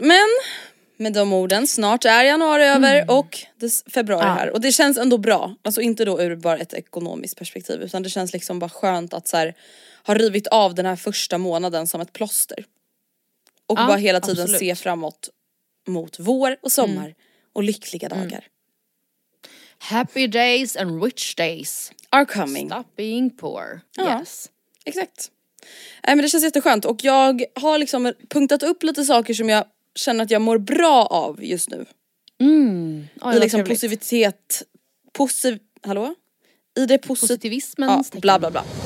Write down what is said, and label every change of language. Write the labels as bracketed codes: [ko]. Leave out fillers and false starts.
[sv] Men med de orden, snart är januari över och februari här. Och det känns ändå bra. Alltså inte då ur bara ett ekonomiskt perspektiv. Utan det känns liksom bara skönt att så här, ha rivit av den här första månaden som ett plåster. Och bara hela tiden se framåt mot vår och sommar och lyckliga dagar. [en] Happy days and rich days are coming. Stop being poor. Ja, yes. [sv] Exakt. Men det känns jätteskönt. Och jag har liksom punktat upp lite saker som jag känner att jag mår bra av just nu. Mm. Oh, i liksom positivitet, Hallå? I det positivismens tecken. Bla bla bla.